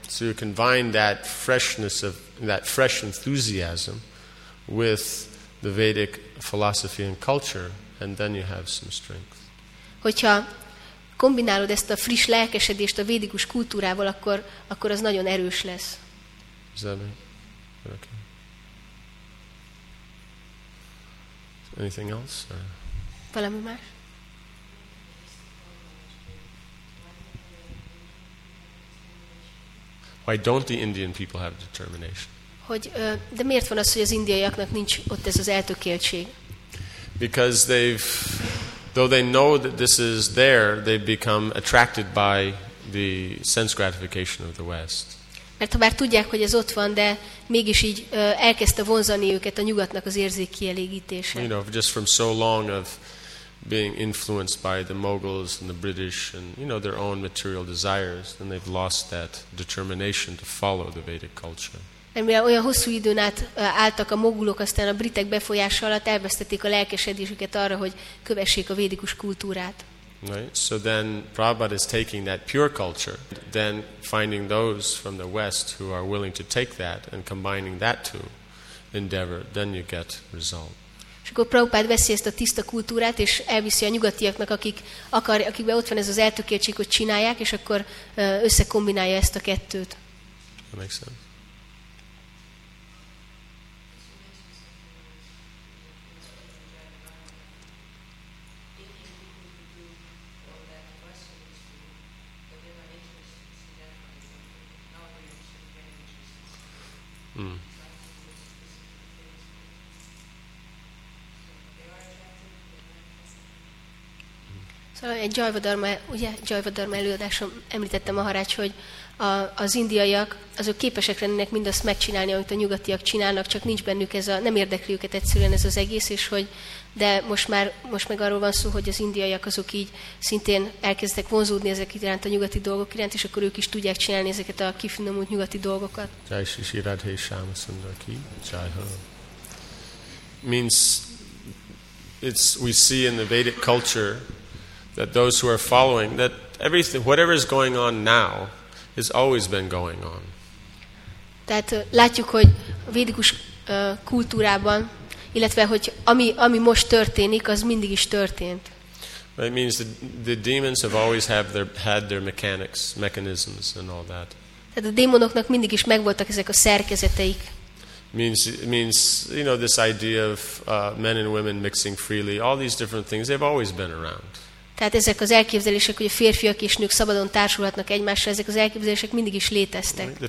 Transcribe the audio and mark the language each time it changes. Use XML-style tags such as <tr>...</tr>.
<en>So you combine that freshness of that fresh enthusiasm with the Vedic philosophy and culture, and then you have some strength.</en> <hu>Hogyha kombinálod ezt a friss lelkesedést a védikus kultúrával, akkor az nagyon erős lesz.</hu> <en>Is that it? Okay. Anything else?</en> <hu>Valami más?</hu> <en>Why don't the Indian people have determination?</en> <hu>Hogy, de miért van az, hogy az indiaiaknak nincs ott ez az eltökéltség?</hu> <en>Because though they know that this is there, they become attracted by the sense gratification of the West.</en> <hu>Mert ha már tudják, hogy ez ott van, de mégis így elkezdte vonzani őket a nyugatnak az érzékkielégítése.</hu> <en>You know, just from so long of being influenced by the Mughals and the British and, you know, their own material desires, then they've lost that determination to follow the Vedic culture.</en> <hu>Mivel olyan hosszú időn át álltak a mogulok, aztán a britek befolyása alatt elvesztették a lelkesedésüket arra, hogy kövessék a védikus kultúrát.</hu> <en>Right. So then Prabhupada is taking that pure culture, then finding those from the West who are willing to take that and combining that to endeavor, then you get result.</en> <hu>És akkor Prabhupád veszi ezt a tiszta kultúrát, és elviszi a nyugatiaknak, akikben ott van ez az eltökéltség, hogy csinálják, és akkor összekombinálja ezt a kettőt.</hu> <en>That makes sense.</en> <hu>Szóval egy Jajvadarma előadáson említettem a harács, hogy az indiaiak, azok képesek lennének mindazt megcsinálni, amit a nyugatiak csinálnak, csak nincs bennük nem érdekli őket egyszerűen ez az egész, és hogy de most meg arról van szó, hogy az indiaiak azok így szintén elkezdtek vonzódni ezek iránt a nyugati dolgok iránt, és akkor ők is tudják csinálni ezeket a kifinomult nyugati dolgokat.</hu> <hi>Jai Sri Radhe Shyama Sundar Ki Jai Ho.</hi> <en>Means it's we see in the Vedic culture that those who are following that everything whatever is going on now has always been going on.</en> <hu>Tehát látjuk, hogy a védikus kultúrában, illetve hogy ami most történik, az mindig is történt.</hu> <en>It means that the demons have always had their mechanisms and all that.</en> <hu>Tehát a démonoknak mindig is megvoltak ezek a szerkezeteik.</hu> <en>Means you know this idea of men and women mixing freely, all these different things, they've always been around.</en> <hu>Tehát ezek az elképzelések, hogy a férfiak és nők szabadon társulhatnak egymással, ezek az elképzelések mindig is léteztek.</hu>